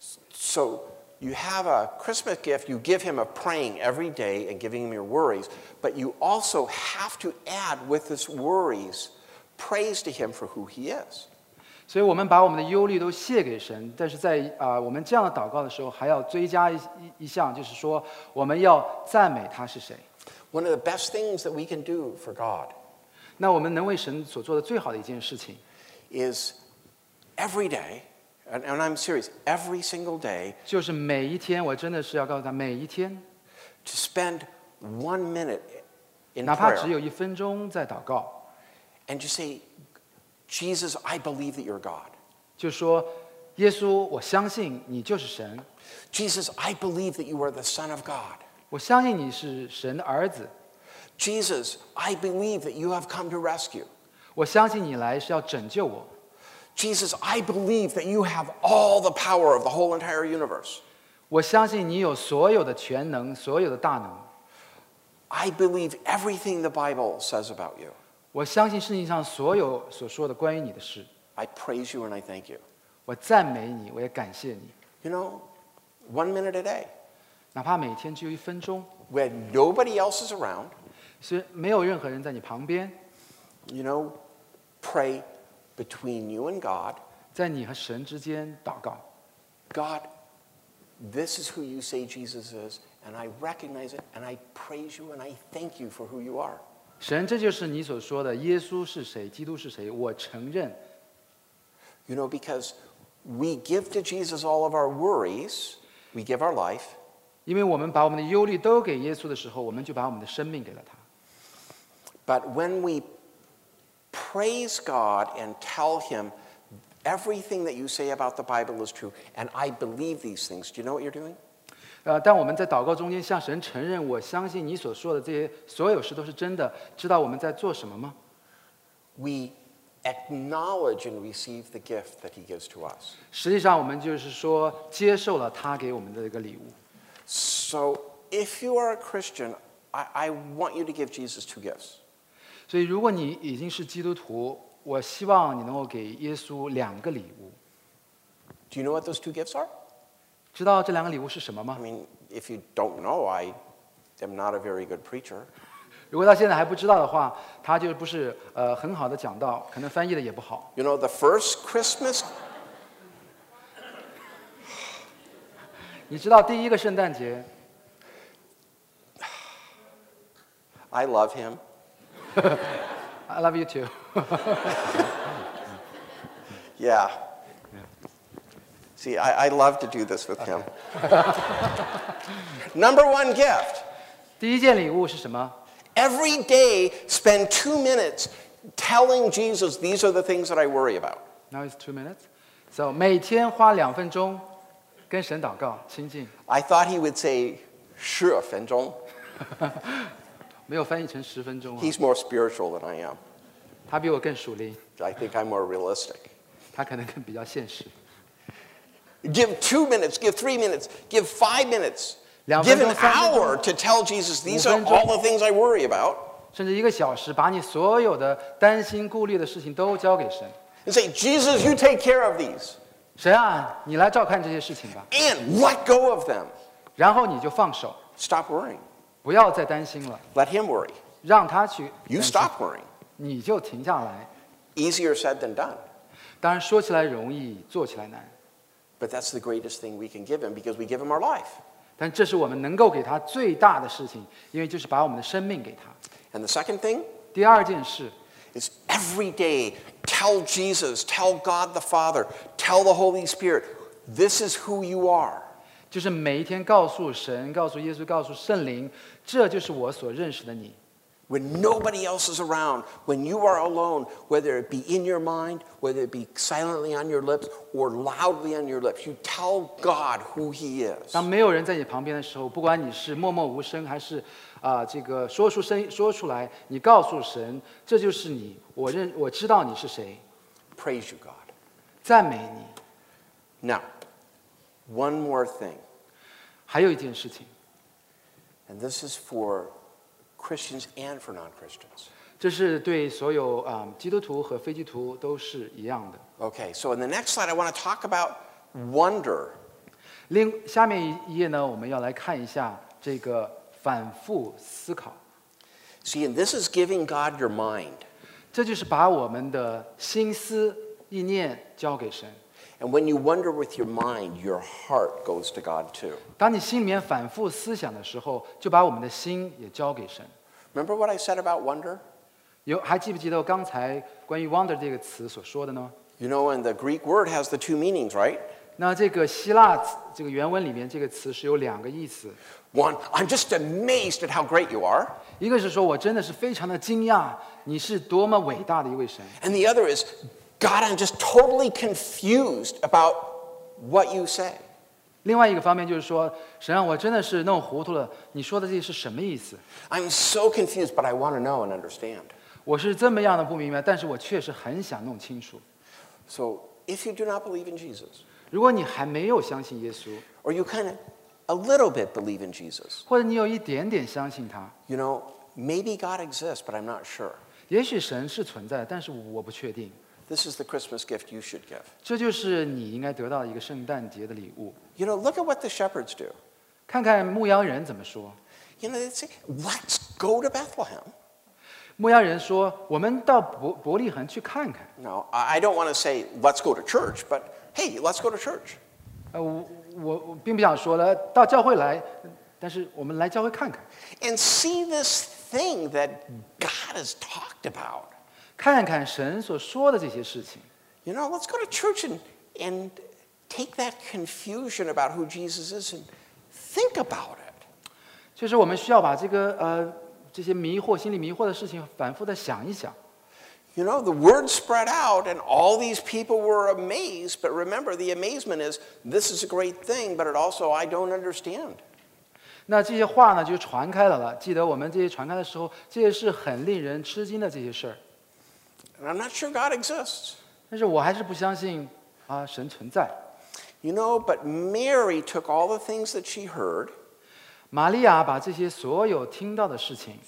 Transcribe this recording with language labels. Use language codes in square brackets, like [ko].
[en] So you have a Christmas gift you give him a praying every day and giving him your worries but you also have to add with his worries praise to him for who he is [zh] 所以我们把我们的忧虑都卸给神但是在、我们这样的祷告的时候还要追加 一项就是说我们要赞美他是谁 [en] One of the best things that we can do for God [zh] 那我们能为神所做的最好的一件事情 [en] is every day, and I'm serious, every single day [zh] 就是每一天我真的是要告诉他每一天 [en] to spend 1 minute in prayer [zh] 哪怕只有一分钟在祷告 [en] and you say, Jesus, I believe that you're God [zh] 就说耶稣我相信你就是神 [en] Jesus, I believe that you are the Son of God [zh] 我相信你是神的儿子。 [en] Jesus, I believe that you have come to rescue. [zh] 我相信你来是要拯救我。 [en] Jesus, I believe that you have all the power of the whole entire universe. [zh] 我相信你有所有的全能，所有的大能。 [en] I believe everything the Bible says about you. [zh] 我相信圣经上所有所说的关于你的事。 [en] I praise you and I thank you. [zh] 我赞美你，我也感谢你。 [en] You know, 1 minute a day. [zh] 哪怕每天只有一分钟 [en] When nobody else is around [zh] 所以没有任何人在你旁边 [en] You know, pray between you and God [zh] 在你和神之间祷告 [en] God, this is who you say Jesus is and I recognize it and I praise you and I thank you for who you are [zh] 神这就是你所说的耶稣是谁基督是谁我承认 [en] You know, because we give to Jesus all of our worries we give our life [zh] 因为我们把我们的忧虑都给耶稣的时候我们就把我们的生命给了他 [en] But when we praise God and tell him everything that you say about the Bible is true and I believe these things do you know what you're doing? [zh] 当我们在祷告中间向神承认我相信你所说的这些所有事都是真的知道我们在做什么吗 [en] We acknowledge and receive the gift that he gives to us [zh] 实际上我们就是说接受了他给我们的一个礼物 [en] So, if you are a Christian, I want you to give Jesus 2 gifts. [zh] 所以如果你已经是基督徒，我希望你能够给耶稣两个礼物。 [en] Do you know what those 2 gifts are? [zh] 知道这两个礼物是什么吗 [en] ？I mean, if you don't know, I am not a very good preacher. [zh] 如果他现在还不知道的话，他就不是很好的讲道，可能翻译的也不好。 [en] You know, the first Christmas. [zh] 你知道第一个圣诞节 [en] I love him I love you too Yeah See, I love to do this with him Number one gift [zh] 第一件礼物是什么 [en] Every day spend 2 minutes telling Jesus these are the things that I worry about Now it's 2 minutes So [zh] 每天花两分钟跟神祷告亲近 [en] I thought he would say [zh] 10分钟没有翻译成十分钟、啊、 [en] He's more spiritual than I am [zh] 他比我更属灵 [en] I think I'm more realistic [zh] 他可能更比较现实 [en] Give 2 minutes Give 3 minutes Give 5 minutes Give an hour to tell Jesus These are all the things I worry about [zh] 甚至一个小时把你所有的担心顾虑的事情都交给神 [en] And say Jesus you take care of these [zh] 神啊，你来照看这些事情吧。 [en] And let go of them. [zh] 然后你就放手。 [en] Stop worrying. [zh] 不要再担心了。 [en] Let him worry. [zh] 让他去担心。 [en] You stop worrying. [zh] 你就停下来。 [en] Easier said than done. [zh] 当然说起来容易，做起来难。 [en] But that's the greatest thing we can give him because we give him our life. [zh] 但这是我们能够给他最大的事情，因为就是把我们的生命给他。 [en] And the second thing. [zh] 第二件事。 [en] Is every day tell Jesus, tell God the Father, tell the Holy Spirit, this is who you are. [zh] 就是每一天告诉神，告诉耶稣，告诉圣灵，这就是我所认识的你。 [en] When nobody else is around, when you are alone, whether it be in your mind, whether it be silently on your lips, or loudly on your lips, you tell God who He is. [zh] 当没有人在你旁边的时候，不管你是默默无声，还是这个说出声说出来，你告诉神，这就是你，我知道你是谁。 [en] Praise you, God. [zh] 赞美你。 [en] Now, one more thing. [zh] 还有一件事情。 [en] And this is for. Christians and for non-Christians. [zh] 这是对所有基督徒和非基督徒都是一样的。 [en] Okay, so in the next slide, I want to talk about wonder. [zh] 下面一页呢，我们要来看一下这个反复思考。 [en] See, and this is giving God your mind. [zh] 这就是把我们的心思意念交给神。 [en] And when you wonder with your mind, your heart goes to God too. [zh] 当你心里面反复思想的时候，就把我们的心也交给神。 [en] Remember what I said about wonder? [zh] 还记不记得刚才关于 wonder 这个词所说的呢？ [en] You know, and the Greek word has the two meanings, right? [zh] 那这个希腊这个原文里面这个词是有两个意思。 [en] One, I'm just amazed at how great you are. [zh] 一个是说我真的是非常的惊讶，你是多么伟大的一位神。 [en] And the other is,God, I'm just totally confused about what you say. [zh] 另外一个方面就是说，神啊，我真的是弄糊涂了。你说的这是什么意思？ [en] I'm so confused, but I want to know and understand. [zh] 我是这么样的不明白，但是我确实很想弄清楚。 [en] So, if you do not believe in Jesus, [zh] 如果你还没有相信耶稣， [en] or you kind of a little bit believe in Jesus, [zh] 或者你有一点点相信他， [en] you know, maybe God exists, but I'm not sure. [zh] 也许神是存在，但是我不确定。 [en] This is the Christmas gift you should give. [zh] 这就是你应该得到一个圣诞节的礼物。 [en] You know, look at what the shepherds do. [zh] 看看牧羊人怎么说。 [en] You know, they say, let's go to Bethlehem. [zh] 牧羊人说，我们到伯利恒去看看。 [en] No, I don't want to say, let's go to church, but hey, let's go to church. [zh] 我并不想说了，到教会来，但是我们来教会看看。 [en] And see this thing that God has talked about. [zh] 看看神所说的这些事情。 [en] You know, let's go to church and take that confusion about who Jesus is and think about it. [zh] 就是我们需要把这个这些迷惑心里迷惑的事情反复的想一想。 [en] You know, the word spread out and all these people were amazed, but remember, the amazement is, this is a great thing, but it also, I don't understand. [zh] 那这些话呢就传开了。记得我们这些传开的时候，这些是很令人吃惊的这些事儿。 [en] And I'm not sure God exists. [zh] 但是我还是不相信神存在。 [en] You know, but Mary took all the things that she heard. [zh] 玛利亚把这些所有听到的事情。